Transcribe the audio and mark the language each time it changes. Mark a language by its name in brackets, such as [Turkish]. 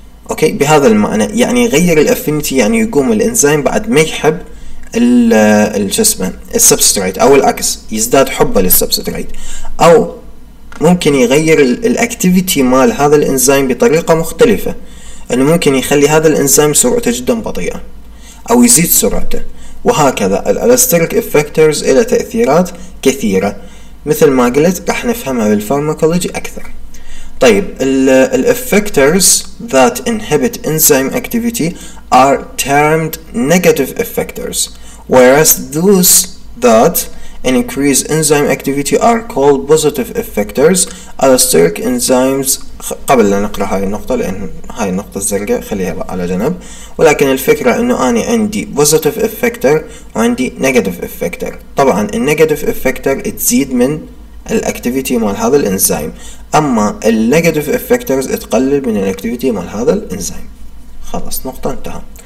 [Arabic] اوكي بهذا المعنى، يعني يغير الافينيتي يعني يقوم الانزيم بعد ما يحب الجسم السبستريت، او العكس يزداد حبه للسبستريت، او ممكن يغير الاكتيفيتي مال هذا الانزيم بطريقه مختلفه، انه ممكن يخلي هذا الانزيم سرعته جدا بطيئه او يزيد سرعته، وهكذا. الالستريك افكتورز الى تاثيرات كثيره مثل ما قلت راح نفهمها بالفارماكولوجي اكثر. [English] طيب الـ effectors that inhibit enzyme activity are termed negative effectors, whereas those that increase enzyme activity are called positive effectors. [Arabic] Allosteric enzymes، قبل لا نقرأ هاي النقطة لأن هاي النقطة الزرقاء خليها على جنب، ولكن الفكرة إنه أنا عندي positive effector وعندي negative effector. طبعا الـ negative effector تزيد من الاكتيفيتي مال هذا الانزيم، اما النيجاتيف افكتورز تقلل من الاكتيفيتي مال هذا الانزيم. خلاص نقطة انتهى.